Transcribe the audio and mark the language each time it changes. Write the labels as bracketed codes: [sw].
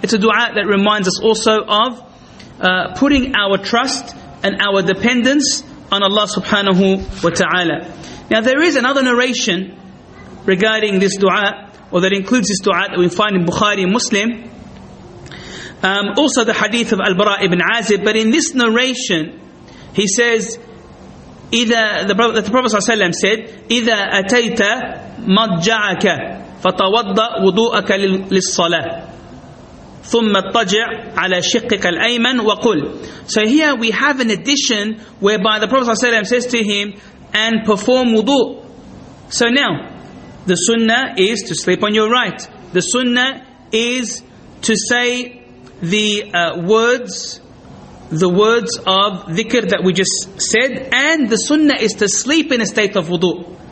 [en] It's a dua that reminds us also of putting our trust and our dependence on Allah subhanahu wa ta'ala. Now there is another narration regarding this dua, or that includes this dua, that we find in Bukhari and Muslim. Also the hadith of Al-Bara ibn Azib. But in this narration, he says, the Prophet ﷺ said, [ar] "إِذَا أَتَيْتَ مَضْجَعَكَ فَتَوَضَّ وُضُوءَكَ لِلصَّلَاةِ ثُمَّ اتَّجِعْ عَلَى شِقِّكَ الْأَيْمَنِ وَقُلْ." [en] So here we have an addition whereby the Prophet ﷺ says to him, "And perform wudu." So now, the sunnah is to sleep on your right. The sunnah is to say the words of dhikr that we just said, and the sunnah is to sleep in a state of wudu.